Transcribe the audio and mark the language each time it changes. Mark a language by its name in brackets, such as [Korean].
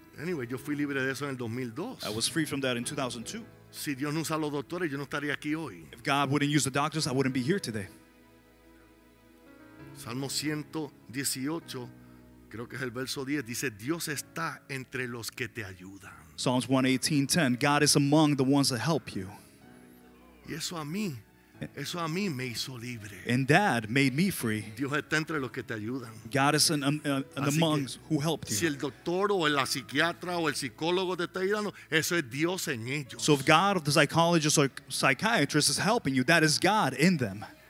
[English] Anyway, [Spanish] yo fui libre de eso en el 2002. [English] I was free from that in 2002. [Spanish] Si Dios no usa los doctores, yo no estaría aquí hoy. [English] If God wouldn't use the doctors, I wouldn't be here today. [Spanish] Salmo 118, creo que es el verso 10, dice, Dios está entre los que te ayudan. [English] Psalms 118:10, God is among the ones that help you. [Spanish] Y eso a mí me hizo libre. [English] And that made me free. [Spanish] Dios está entre los que te ayudan. [English] God is an among who helped you. [Spanish] Si el doctor o la psiquiatra o el psicólogo te está ayudando, eso es Dios en ellos. [English] So if God, the psychologist or psychiatrist is helping you, that is God in them.